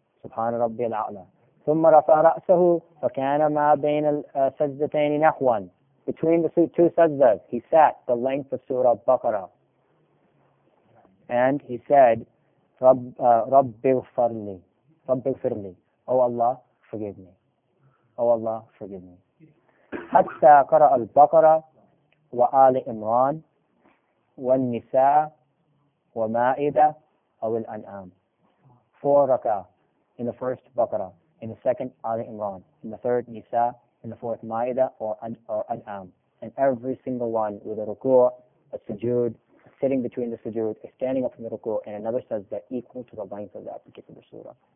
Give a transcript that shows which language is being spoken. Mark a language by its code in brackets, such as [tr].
[ar] سُبْحَانَ رَبِّي الْأَعْلَى. ثُمَّ رَفَعَ رَأْسَهُ فَكَانَ مَا بَيْنَ السَّجْدَتَيْنِ نَحْوًا. [en] Between the two sajdas, he sat the length of Surah Baqarah. And he said, [ar] رَبِّ اغْفِرْلِي. [en] O Allah, forgive me. O Allah, forgive me. [ar] حتى قرأ البقرة وآل إمران والنساء ومائدة أو الأنعام. [en] Four rak'ah in the first Baqarah, in the second آل إمران, in the third Nisa, in the fourth مائدة or أنعام. And every single one with a ruku', a sujood, sitting between the sujood, standing up from the ruku', and another says that equal to the length of that particular surah.